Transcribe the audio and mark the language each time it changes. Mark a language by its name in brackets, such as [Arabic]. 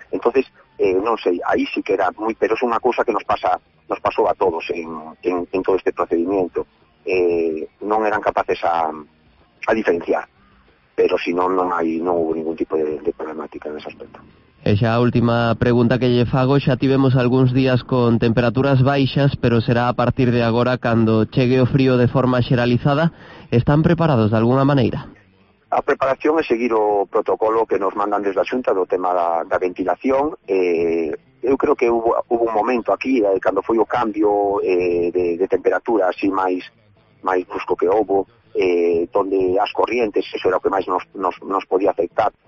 [Galician] Entonces, non sei, aí sí que era moi, pero é unha cousa que nos pasou a todos en todo este procedimiento. Non eran capaces a diferenciar, pero si non, non hubo ningún tipo de problemática en ese aspecto. Esa última pregunta que lle fago, xa tivemos algúns días con temperaturas baixas, pero será a partir de agora cando chegue o frío de forma xeralizada. [Spanish] ¿Están preparados de alguna maneira? [Galician] A preparación é seguir o protocolo que nos mandan desde a Xunta do tema da ventilación. Eu creo que hubo un momento aquí, cando foi o cambio de temperatura, así máis brusco que hubo, donde as corrientes, eso era o que máis nos podía afectar.